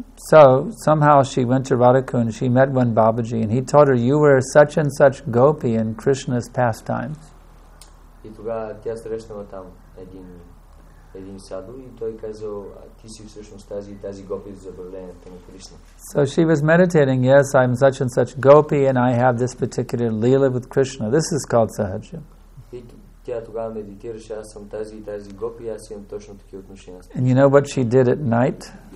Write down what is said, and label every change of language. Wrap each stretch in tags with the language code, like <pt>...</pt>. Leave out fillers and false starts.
<en>So somehow she went to Radhakund. She met one Babaji, and he told her, "You were such and such gopi in Krishna's pastimes."</en> <bg>И тогава тя срещнала там един саду, и той казал, "Ти си всъщност тази гопи за забавлението на Кришна."</bg> <en>So she was meditating. Yes, I'm such and such gopi, and I have this particular lila with Krishna. This is called sahaja.</en> <bg>И тя тогава медитираше, аз съм тази гопи, аз имам точно такива отношения.</bg> <en>And you know what she did at night?</en>